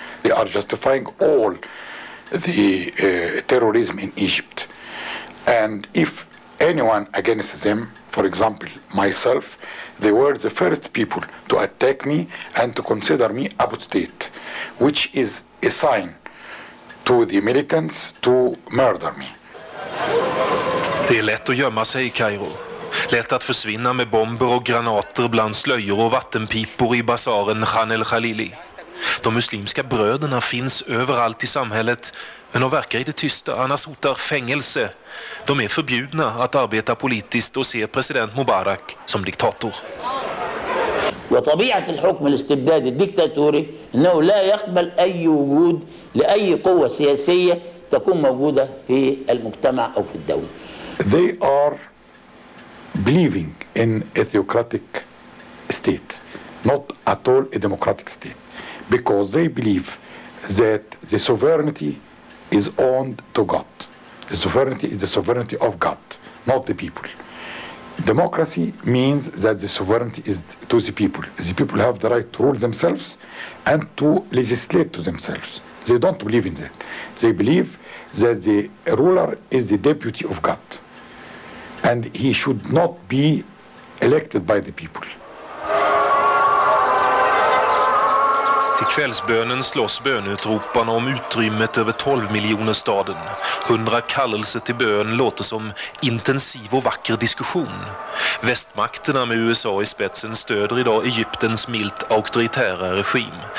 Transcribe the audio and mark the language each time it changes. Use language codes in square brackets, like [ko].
[en] They are justifying all the terrorism in Egypt, and if anyone against them, for example myself, they were the first people to attack me and to consider me apostate, which is a sign to the militants to murder me. [sv] Det är lätt att gömma sig i Kairo. Lätt att försvinna med bomber och granater bland slöjor och vattenpipor i basaren Khan el-Khalili. De muslimska bröderna finns överallt i samhället, men de verkar i det tysta, annars hotar fängelse. De är förbjudna att arbeta politiskt och se president Mubarak som diktator. [ar] وطبيعة الحكم الاستبدادي الدكتاتوري انه لا يقبل اي وجود لاي قوة سياسية تكون موجودة في المجتمع او في الدولة. [en] They are believing in a theocratic state, not at all a democratic state, because they believe that the sovereignty is owned to God. The sovereignty is the sovereignty of God, not the people. Democracy means that the sovereignty is to the people. The people have the right to rule themselves and to legislate to themselves. They don't believe in that. They believe that the ruler is the deputy of God and he should not be elected by the people. [sv] I kvällsbönen slåss bönutroparna om utrymmet över 12 miljoner staden. 100 kallelser till bön låter som intensiv och vacker diskussion. Västmakterna med USA i spetsen stöder idag Egyptens milt auktoritära regim.